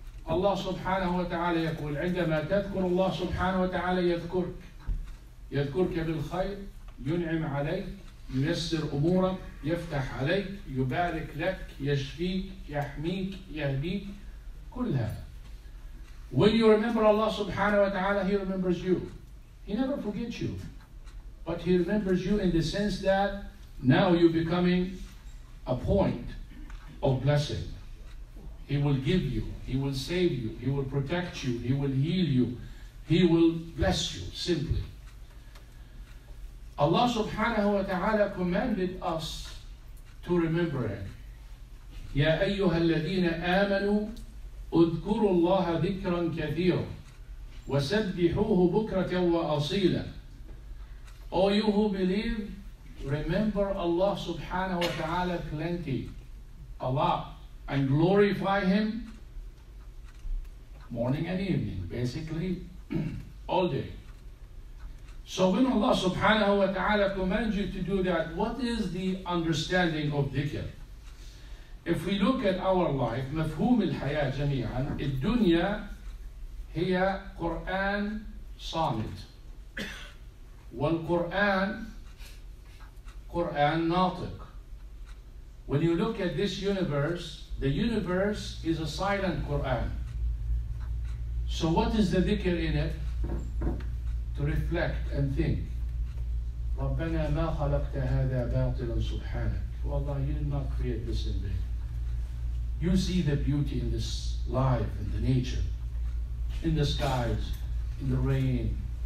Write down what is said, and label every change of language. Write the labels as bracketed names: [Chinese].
[Arabic] الله سبحانه وتعالى يقول عندما تذكر الله سبحانه وتعالى يذكرك يذكرك بالخير ينعم عليك ييسر أمورك يفتح عليك يبارك لك يشفيك يحميك يهديك كل هذا. [English] When you remember Allah [Arabic] سبحانه وتعالى, [English] He remembers you. He never forgets you, but He remembers you in the sense that now you're becoming a point of blessing. He will give you, He will save you, He will protect you, He will heal you, He will bless you, simply. Allah subhanahu wa ta'ala commanded us to remember Him. [Arabic] يَا أَيُّهَا الَّذِينَ آمَنُوا اُذْكُرُوا اللَّهَ ذِكْرًا كَثِيرًا وَسَبِّحُوهُ بُكْرَةً وَأَصِيلًا. [English] O you who believe, remember Allah subhanahu wa ta'ala plenty, a lot. And glorify Him morning and evening, basically all day. So when Allah subhanahu wa ta'ala commands you to do that, what is the understanding of dhikr? If we look at our life, [Arabic] مفهوم الحياة جميعا, الدنيا هي قرآن صامت والقرآن قرآن ناطق. [English] When you look at this universe, the universe is a silent Quran. So what is the dhikr in it? To reflect and think. [Arabic] رَبَّنَا مَا خَلَقْتَ هَذَا بَاطِلًا سُبْحَانَكَ. [English] Wallah, you did not create this in vain. You see the beauty in this life, in the nature, in the skies, in the rain.